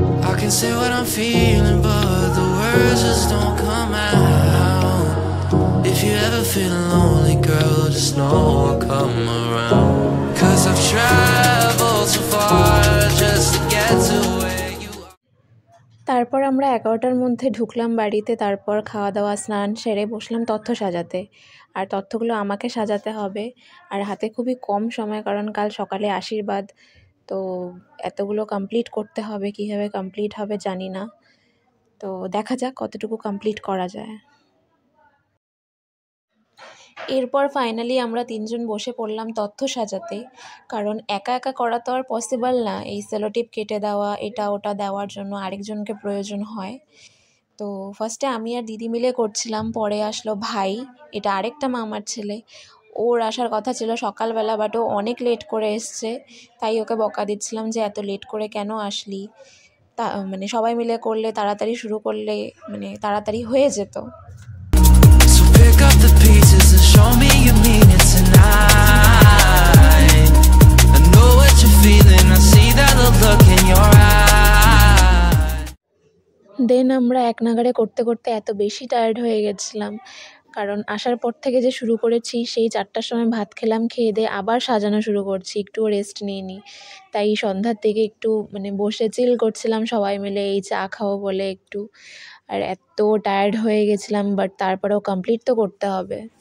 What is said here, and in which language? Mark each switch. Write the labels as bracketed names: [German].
[English] I can say what I'm feeling, but the words just don't come out. If you ever feel lonely, girl, just know I'll come around. 'Cause I've traveled so far just to get to. [Bangla] তারপর আমরা 11টার মধ্যে ঢুকলাম বাড়িতে। তারপর খাওয়া দাওয়া, স্নান সেরে বসলাম তথ্য সাজাতে। আর তথ্যগুলো আমাকে সাজাতে হবে, আর হাতে খুবই কম সময় কারণ কাল সকালে আশীর্বাদ। তো এতগুলো কমপ্লিট করতে হবে, কীভাবে কমপ্লিট হবে জানি না। তো দেখা যাক কতটুকু কমপ্লিট করা যায়। এরপর ফাইনালি আমরা 3 জন বসে পড়লাম তথ্য সাজাতে, কারণ একা একা করা তো আর পসিবল না। এই সেলোটিপ কেটে দেওয়া, এটা ওটা দেওয়ার জন্য আরেকজনকে প্রয়োজন হয়। তো ফার্স্টে আমি আর দিদি মিলে করছিলাম, পরে আসলো ভাই, এটা আরেকটা মামার ছেলে। ওর আসার কথা ছিল সকালবেলা, বাট ও অনেক লেট করে এসছে, তাই ওকে বকা দিচ্ছিলাম যে এত লেট করে কেন আসলি, তা মানে সবাই মিলে করলে, তাড়াতাড়ি শুরু করলে মানে তাড়াতাড়ি হয়ে যেত। [English] Pick up the pieces and show me you mean it tonight. I know what you're feeling, I see that look in your eyes. [Bangla] দেন আমরা একনাগাড়ে করতে করতে এত বেশি টায়ার্ড হয়ে গেছিলাম, কারণ আসার পর থেকে যে শুরু করেছি, সেই 4টার সময় ভাত খেলাম, খেয়ে দিয়ে আবার সাজানো শুরু করছি, একটুও রেস্ট নিইনি। তাই সন্ধ্যার থেকে একটু মানে বসে চিল করছিলাম সবাই মিলে, এই চা খাও বলে একটু, আর এত টায়ার্ড হয়ে গেছিলাম, বাট তারপরেও কমপ্লিট তো করতে হবে।